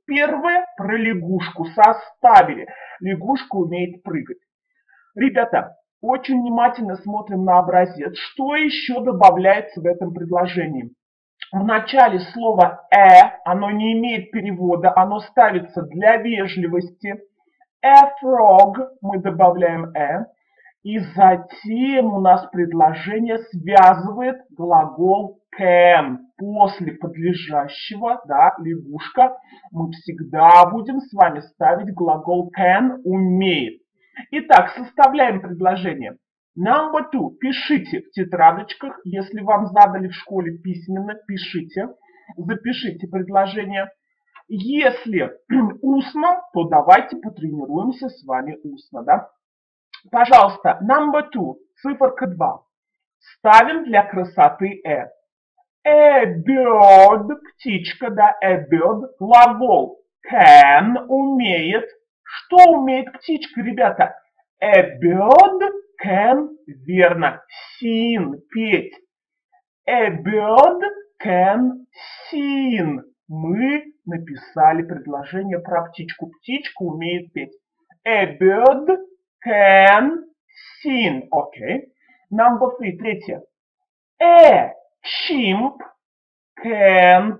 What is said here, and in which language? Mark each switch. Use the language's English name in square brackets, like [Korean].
[Russian] Первое – про лягушку. Составили. Лягушка умеет прыгать. Ребята, очень внимательно смотрим на образец. Что еще добавляется в этом предложении? В начале слово «a», оно не имеет перевода, оно ставится для вежливости. [English] «A frog» [Russian] мы добавляем [English] «a». [Russian] И затем у нас предложение связывает глагол «can». После подлежащего, да, лягушка, мы всегда будем с вами ставить глагол «can» «умеет». Итак, составляем предложение. [English] Number two. [Russian] Пишите в тетрадочках. Если вам задали в школе письменно, пишите. Запишите предложение. Если устно, то давайте потренируемся с вами устно, да? Пожалуйста, [English] number two. [Russian] Циферка 2. Ставим для красоты «э». [English] A bird. [Russian] Птичка, да, [English] a bird. [Russian] Глагол can умеет. Что умеет птичка, ребята? [English] A bird can, [Russian] верно, [English] sing, [Russian] петь. [English] A bird can sing. [Russian] Мы написали предложение про птичку. Птичка умеет петь. [English] A bird can sing. Окей. Number three. [Russian] Третье. [English] A chimp can.